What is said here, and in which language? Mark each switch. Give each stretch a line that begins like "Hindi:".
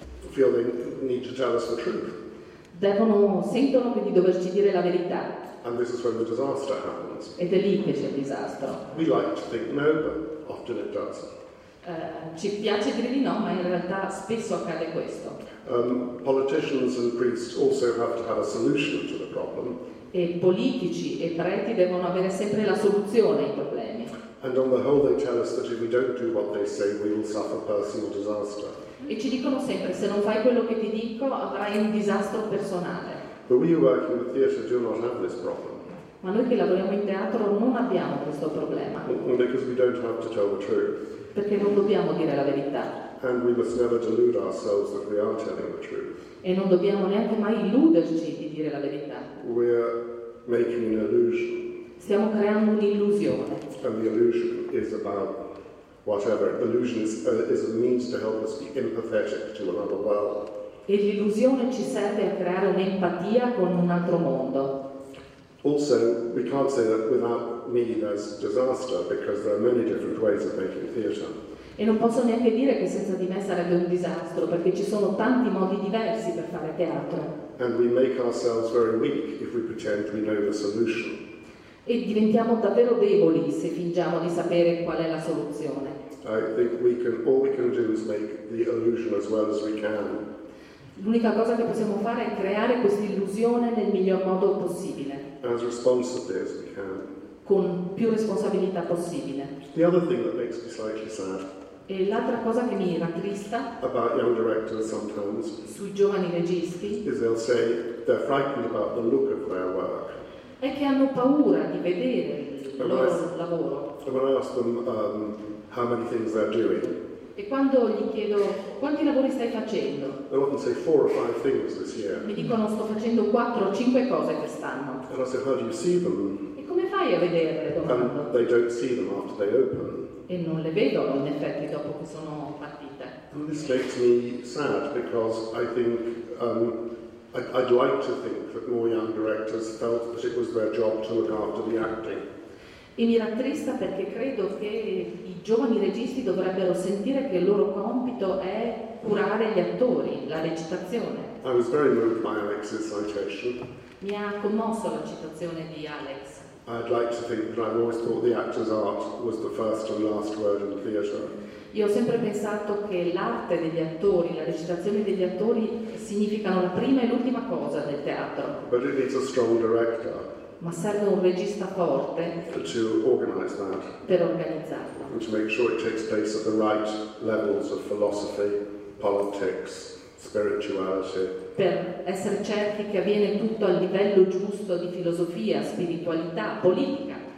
English: Feel they need to tell us the truth.
Italian: Sentono di doverci dire la verità.
English: And this is when the disaster happens.
Italian: Ed è lì che c'è il disastro.
English: We like to think no, but often it doesn't.
Italian: Ci piace dire di no, ma in realtà spesso accade questo.
English: Politicians and priests also have to have a solution to the problem.
Italian: E politici e preti devono avere sempre la soluzione ai problemi.
English: And on the whole, they tell us that if we don't do what they say, we will suffer personal disaster.
Italian: E ci dicono sempre, se non fai quello che ti dico, avrai un disastro personale.
English: But we working in theatre do not have this problem.
Italian: Ma noi che lavoriamo in teatro non abbiamo questo problema.
English: Because we don't have to tell the truth.
Italian: Perché non dobbiamo dire la verità.
English: And we must never delude ourselves that we are telling the truth.
Italian: E non dobbiamo neanche mai illuderci di dire la verità.
English: We are making an illusion.
Italian: Stiamo creando un'illusione.
English: And the illusion is about whatever. Illusion is a means to help us be empathetic to another world.
Italian: E l'illusione ci serve a creare un'empatia con un altro mondo.
English: Also, we can't say that without me there's disaster, because there are many different ways of making theatre.
Italian: E non posso neanche dire che senza di me sarebbe un disastro, perché ci sono tanti modi diversi per fare teatro.
English: And we make ourselves very weak if we pretend we know the solution.
Italian: E diventiamo davvero deboli se fingiamo di sapere qual è la soluzione.
English: I think all we can do is make the illusion as well as we can.
Italian: L'unica cosa che possiamo fare è creare questa illusione nel miglior modo possibile.
English: As responsibly as we can.
Italian: Con più responsabilità possibile.
English: The other thing that makes me slightly sad.
Italian: E l'altra cosa che mi rattrista.
English: About young directors sometimes.
Italian: Sui giovani registi.
English: Is they'll say they're frightened about the look of their work.
Italian: È che hanno paura di vedere il loro lavoro.
English: And when I ask them how many things they're doing.
Italian: E quando gli chiedo quanti lavori stai facendo.
English: They'll often say four or five things this year.
Italian: Mi dicono sto facendo quattro o cinque cose quest'anno.
English: And I say how do you see them?
Italian: A vedere, domando.
English: And they don't see them after they open.
Italian: E non le vedono in effetti dopo che sono partite.
English: And this makes me sad because I think I'd like to think that more young directors felt that it was their job to look after the acting.
Italian: E mi rattrista perché credo che i giovani registi dovrebbero sentire che il loro compito è curare gli attori, la recitazione.
English: I was very moved by Alex's citation.
Italian: Mi ha commosso la citazione di Alex.
English: I'd like to think that I've always thought the actor's art was the first and last word in theatre.
Italian: Io ho sempre pensato che l'arte degli attori, la recitazione degli attori, significano la prima e l'ultima cosa del teatro.
English: But it needs a strong director.
Italian: Ma serve un regista forte.
English: To organise that.
Italian: Per organizzarlo.
English: And to make sure it takes place at the right levels of philosophy, politics, spirituality.
Italian: Per essere certi che avviene tutto al livello giusto di filosofia, spiritualità, politica.